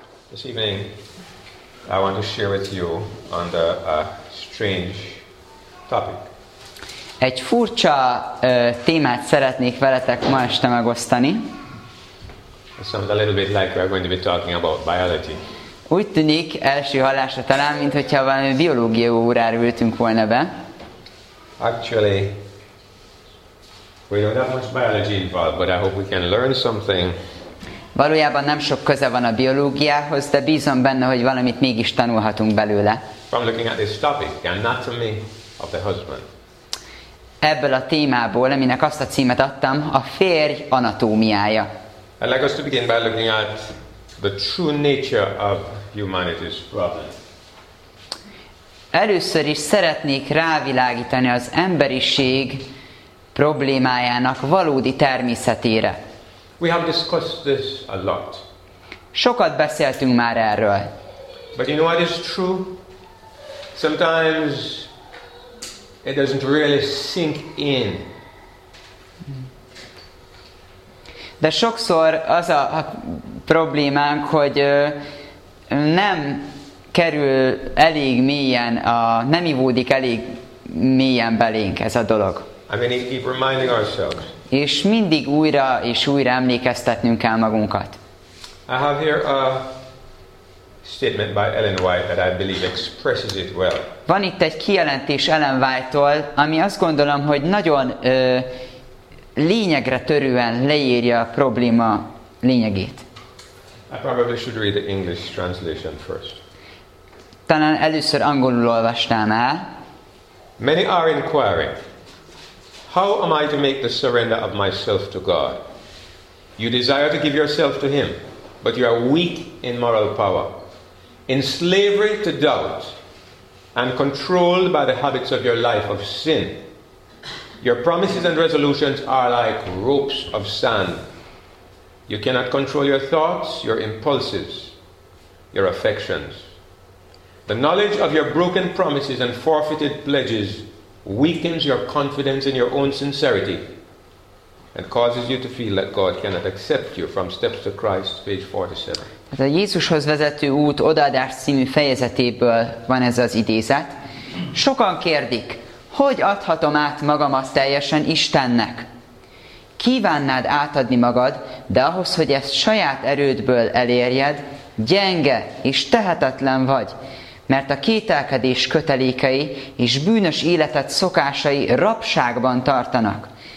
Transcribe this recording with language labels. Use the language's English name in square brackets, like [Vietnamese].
[English] This evening, I want to share with you on the strange topic. [Hungarian] Egy furcsa témát szeretnék veletek ma este megosztani. [English] It sounds a little bit like we're going to be talking about biology. [Hungarian] Úgy tűnik első hallásra talán, mintha valami biológia órára ültünk volna be. [English] Actually, we don't have much biology involved, but I hope we can learn something. [Hungarian] Valójában nem sok köze van a biológiához, de bízom benne, hogy valamit mégis tanulhatunk belőle. [English] From looking at this topic, the anatomy of the husband. [Hungarian] Ebből a témából, aminek azt a címet adtam, a férj anatómiája. [English] I'd like us to begin by looking at the true nature of humanity's problem. [Hungarian] Először is szeretnék rávilágítani az emberiség problémájának valódi természetére. [English] We have discussed this a lot. [Hungarian] Sokat beszéltünk már erről. [English] But you know what is true? Sometimes it doesn't really sink in. [Hungarian] De sokszor az a problémánk, hogy nem kerül elég mélyen, nem ivódik elég mélyen belénk ez a dolog. [English] I mean, keep reminding ourselves. [Hungarian] És mindig újra és újra emlékeztetnünk kell magunkat. [English] I have here a statement by Ellen White that I believe expresses it well. [Hungarian] Van itt egy kijelentés Ellen White-tól, ami azt gondolom, hogy nagyon lényegre törően leírja a probléma lényegét. [English] I probably should read the English translation first. [Hungarian] Talán először angolul olvastam el. [English] Many are inquiring. How am I to make the surrender of myself to God? You desire to give yourself to Him, but you are weak in moral power. In slavery to doubt and controlled by the habits of your life of sin, your promises and resolutions are like ropes of sand. You cannot control your thoughts, your impulses, your affections. The knowledge of your broken promises and forfeited pledges weakens your confidence in your own sincerity and causes you to feel that God cannot accept you. From Steps to Christ, page 47. [Hungarian] A Jézushoz vezető út odaadás című fejezetéből van ez az idézet. Sokan kérdik, hogy adhatom át magamat teljesen Istennek? Kívánnád átadni magad, de ahhoz, hogy ezt saját erődből elérjed, gyenge és tehetetlen vagy, mert a kételkedés kötelékei és bűnös életed szokásai rabságban tartanak.